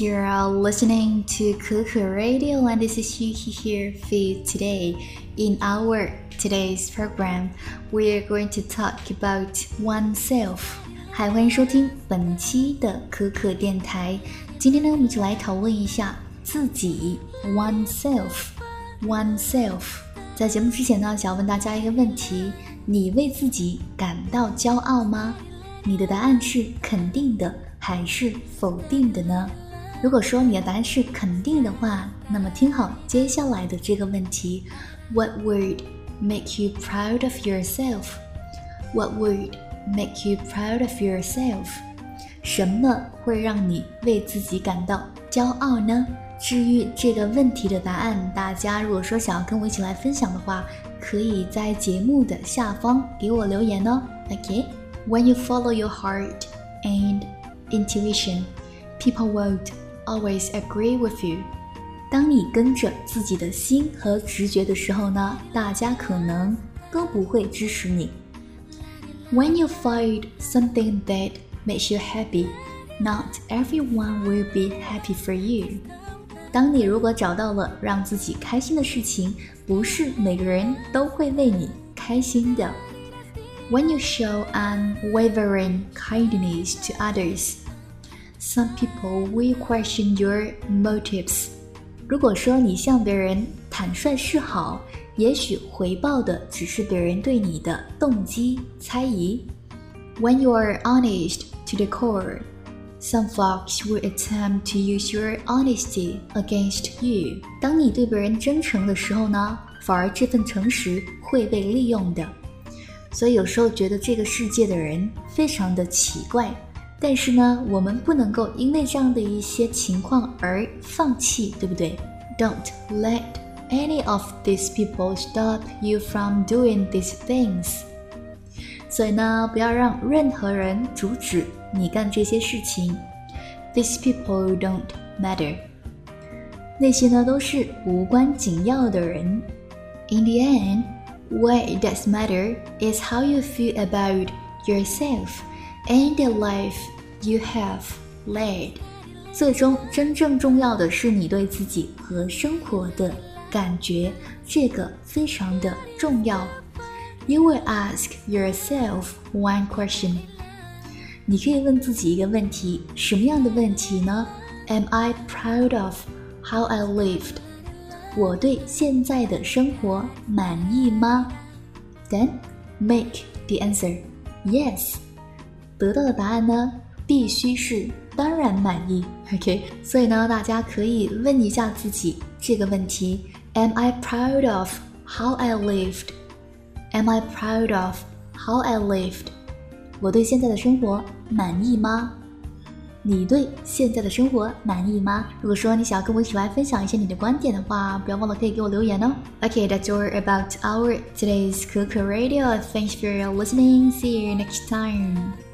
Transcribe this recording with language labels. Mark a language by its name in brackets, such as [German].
[English] You're listening to Kuku Radio, and this is Yuki here for you today. In our today's program, we are going to talk about oneself. [Chinese] Hi, 欢迎收听本期的可可电台。今天呢，我们就来讨论一下自己 oneself, oneself. 在节目之前呢，想要问大家一个问题：你为自己感到骄傲吗？你的答案是肯定的。还是否定的呢？如果说你的答案是肯定的话，那么听好接下来的这个问题。 [English] What would make you proud of yourself? What would make you proud of yourself? [Chinese] 什么会让你为自己感到骄傲呢？至于这个问题的答案，大家如果说想要跟我一起来分享的话，可以在节目的下方给我留言哦。 [English] OK, When you follow your heart andintuition, people won't always agree with you. [Chinese] 当你跟着自己的心和直觉的时候呢，大家可能都不会支持你。 [English] When you find something that makes you happy, not everyone will be happy for you. [Chinese] 当你如果找到了让自己开心的事情，不是每个人都会为你开心的。 [English] When you show unwavering kindness to others, some people will question your motives. [Chinese] 如果说你向别人坦率示好，也许回报的只是别人对你的动机猜疑。 [English] When you are honest to the core, some folks will attempt to use your honesty against you. [Chinese] 当你对别人真诚的时候呢，反而这份诚实会被利用的。所以有时候觉得这个世界的人非常的奇怪，但是呢，我们不能够因为这样的一些情况而放弃，对不对？ [English] Don't let any of these people stop you from doing these things. [Chinese] 所以呢，不要让任何人阻止你干这些事情。 [English] These people don't matter. [Chinese] 那些呢，都是无关紧要的人。 [English] In the end,What does matter is how you feel about yourself and the life you have led. [Chinese] 最终真正重要的是你对自己和生活的感觉，这个非常的重要。 [English] You will ask yourself one question. [Chinese] 你可以问自己一个问题，什么样的问题呢？ [English] Am I proud of how I lived? [Chinese] 我对现在的生活满意吗？ [English] Then make the answer yes. [Chinese] 得到的答案呢，必须是当然满意。 OK, 所以呢，大家可以问一下自己这个问题： [English] Am I proud of how I lived? Am I proud of how I lived? [Chinese] 我对现在的生活满意吗？你对现在的生活满意吗？如果说你想要跟我一起来分享一些你的观点的话，不要忘了可以给我留言哦。 [English] Okay, that's all about our today's Kuku Radio. Thanks for listening. See you next time.